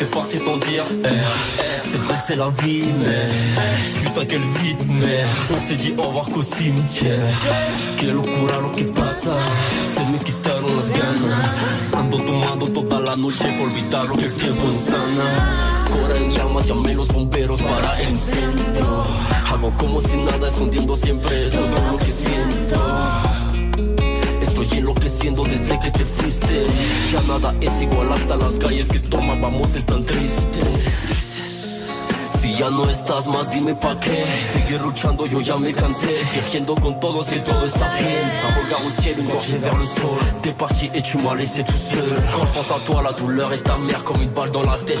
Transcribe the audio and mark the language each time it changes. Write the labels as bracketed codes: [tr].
[fr] C'est vrai que c'est la vie, mais putain quelle vite, mais on s'est dit au revoir qu'au cimetière. [es] Quel locura lo que pasa, se me quitaron las ganas. Ando tomando toda la noche por olvidar lo que el tiempo sana. Corre en llamas, llamé los bomberos para el centro. Hago como si nada, escondiendo siempre todo lo que siento. Estoy enloqueciendo desde que te fuiste. Ya nada es igual, hasta las calles que tomábamos están tristes. Si ya no estás más, dime pa' qué. Sigue luchando, yo ya me cansé. Viajando con todos que todo está bien. [fr] Un regard au ciel, une gorgée vers le sol. T'es parti et tu m'as laissé tout seul. Quand je pense à toi, la douleur est amère comme une balle dans la tête.